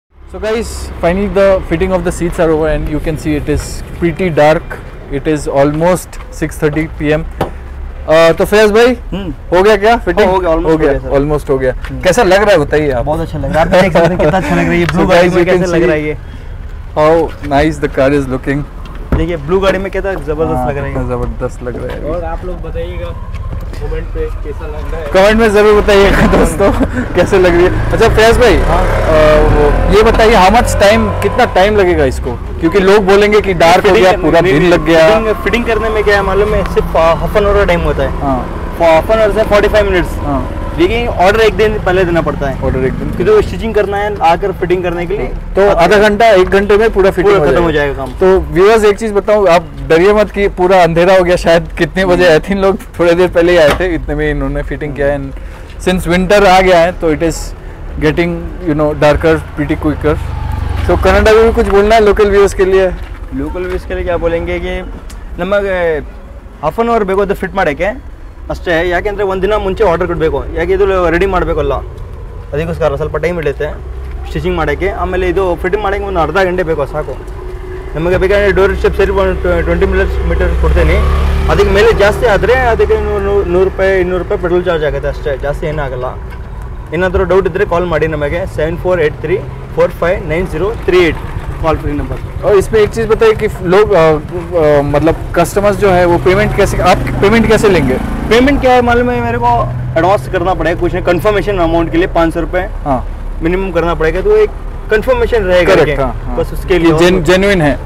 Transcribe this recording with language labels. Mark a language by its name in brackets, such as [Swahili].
[English] So guys, finally the fitting of the seats are over and you can see it is pretty dark. It is almost 6:30 PM. [Hindi] तो फैज भाई हो गया क्या fitting? हो गया, almost हो गया। कैसा लग रहा है बताइए आप? बहुत अच्छा लग रहा है, देख सकते हैं कितना अच्छा लग रहा है ये ब्लू गाड़ी में, कैसे लग रहा है ये। [English] How nice the car is looking. [Hindi] देखिए ब्लू गाड़ी में कितना जबरदस्त लग रहा है, जबरदस्त लग रहा है। और आप लोग बताइएगा कमेंट में जरूर बताइएगा दोस्तों कैसे लग रही है। अच्छा फैज भाई, ये बताइए [English] how much time, [Hindi] कितना टाइम लगेगा इसको, क्योंकि लोग बोलेंगे कि डार्क हो गया, पूरा दिन लग गया। फिटिंग करने में क्या है मालूम है, सिर्फ हाफ एन आवर का टाइम होता है, हाफ एन आवर से 45 मिनट्स। लेकिन ऑर्डर एक दिन पहले देना पड़ता है, ऑर्डर एक दिन, क्योंकि स्टिचिंग करना है आकर फिटिंग करने के लिए, तो आधा घंटा एक घंटे में पूरा फिटिंग खत्म हो जाएगा काम। तो व्यूअर्स एक चीज बताऊं, आप डरिए मत कि पूरा अंधेरा हो गया, शायद कितने बजे आए थे लोग, थोड़ी देर पहले ही आए थे, इतने में इन्होंने फिटिंग किया। [English] and since winter [Hindi] आ गया है तो [English] It is getting you know darker pretty quicker. [Hindi] तो कनाडा में भी कुछ बोलना है लोकल व्यूअर्स के लिए? लोकल व्यूअर्स के लिए क्या बोलेंगे कि [Kannada] नमक हाफ एन आवर बेगोद फिट मारे ಅಷ್ಟೇ, ಯಾಕೆಂದರೆ ಒಂದಿನ ಮುಂಚೆ ಆರ್ಡರ್ ಕೊಡಬೇಕು, ಯಾಕೆ ಇದು ರೆಡಿ ಮಾಡಬೇಕಲ್ಲ, ಅದಕ್ಕೋಸ್ಕರ ಸ್ವಲ್ಪ ಟೈಮ್ ಹಿಡಿಯುತ್ತೆ ಸ್ಟಿಚಿಂಗ್ ಮಾಡೋಕ್ಕೆ. ಆಮೇಲೆ ಇದು ಫಿಟ್ಟಿಂಗ್ ಮಾಡೋಕ್ಕೆ ಒಂದು ಅರ್ಧ ಗಂಟೆ ಬೇಕು ಸಾಕು ನಮಗೆ. ಬೇಕಾದರೆ ಡೋರ್ ಸ್ಟೆಪ್ ಸೇರಿ 20 ಮಿಲಿಮೀಟರ್ ಕೊಡ್ತೇನೆ, ಅದಕ್ಕೆ ಮೇಲೆ ಜಾಸ್ತಿ ಆದರೆ ಅದಕ್ಕೆ 100 ರೂಪಾಯಿ 200 ರೂಪಾಯಿ ಪೆಟ್ರೋಲ್ ಚಾರ್ಜ್ ಆಗುತ್ತೆ ಅಷ್ಟೇ, ಜಾಸ್ತಿ ಏನಾಗಲ್ಲ. ಏನಾದರೂ ಡೌಟ್ ಇದ್ದರೆ ಕಾಲ್ ಮಾಡಿ ನಮಗೆ 7483459038 ಕಾಲ್ ಫ್ರೀ ನಂಬರ್. [Hindi] और इसमें एक चीज बताइए कि लोग मतलब कस्टमर्स जो है वो पेमेंट कैसे, आप पेमेंट कैसे लेंगे? पेमेंट क्या है मालूम है, मेरे को एडवांस करना पड़ेगा कुछ नहीं, कंफर्मेशन अमाउंट के लिए 500 रुपए मिनिमम करना पड़ेगा, तो एक कंफर्मेशन रहेगा करके, बस उसके लिए जेन्युइन है,